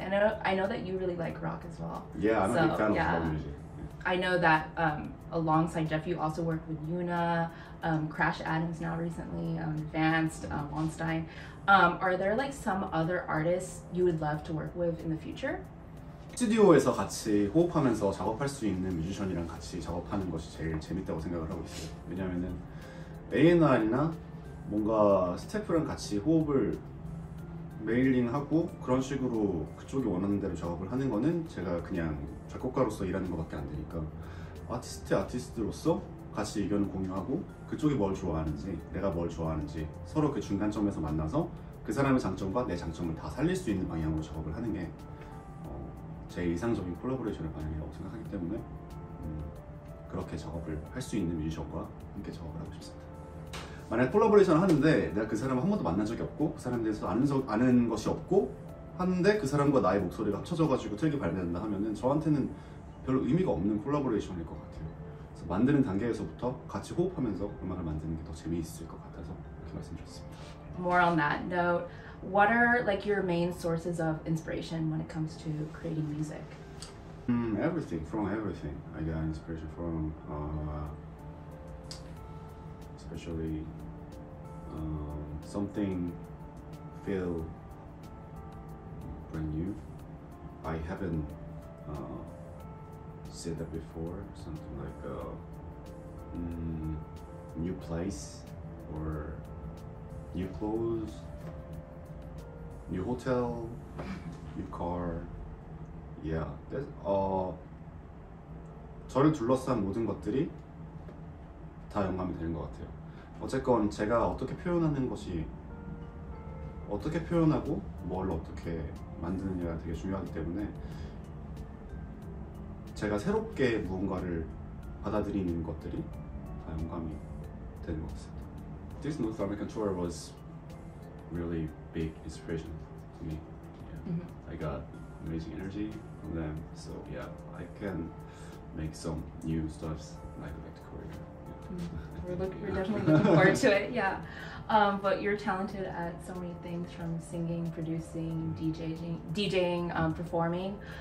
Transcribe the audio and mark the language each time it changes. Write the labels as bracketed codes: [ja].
[en] And I know that you really like rock as well. Yeah, I'm a big fan of rock music. I know that alongside Jeff, you also worked with Yuna, Crash Adams now recently, Advanced, Wonstein. Are there like some other artists you would love to work with in the future? [ko] 스튜디오에서 같이 호흡하면서 작업할 수 있는 뮤지션이랑 같이 작업하는 것이 제일 재밌다고 생각을 하고 있어요. 왜냐하면은 A&R이나 뭔가 스태프랑 같이 호흡을 메일링하고 그런 식으로 그쪽이 원하는 대로 작업을 하는 거는 제가 그냥 작곡가로서 일하는 것밖에 안 되니까 아티스트로서 같이 의견을 공유하고 그쪽이 뭘 좋아하는지 내가 뭘 좋아하는지 서로 그 중간점에서 만나서 그 사람의 장점과 내 장점을 다 살릴 수 있는 방향으로 작업을 하는 게 제일 이상적인 콜라보레이션의 방향이라고 생각하기 때문에 그렇게 작업을 할 수 있는 뮤지션과 함께 작업을 하고 싶습니다. 만약 콜라보레이션을 하는데 내가 그 사람을 한 번도 만난 적이 없고 그 사람에 대해서 아는 것이 없고 하는데 그 사람과 나의 목소리가 합쳐져가지고 트랙이 발매된다 하면은 저한테는 별로 의미가 없는 콜라보레이션일 것 같아요. 그래서 만드는 단계에서부터 같이 호흡하면서 음악을 만드는 게 더 재미있을 것 같아서 이렇게 말씀드렸습니다. [en] More on that note, what are like your main sources of inspiration when it comes to creating music? Everything, from everything. I got inspiration from especially something feel brand new. I haven't said that before. Something like a new place or new clothes, new hotel, new car. Yeah, that [ko] 저를 둘러싼 모든 것들이 다 영감이 되는 것 같아요. 어쨌건 제가 어떻게 표현하는 것이 어떻게 표현하고 뭘 어떻게 만드느냐가 되게 중요하기 때문에 제가 새롭게 무언가를 받아들이는 것들이 다 영감이 되는 것 같습니다. [en] This North American tour was really big inspiration to me. Yeah. Mm-hmm. I got amazing energy from them, so yeah, I can make some new stuff like back to Korea. We're definitely looking forward to it, yeah. But you're talented at so many things, from singing, producing, DJing, performing.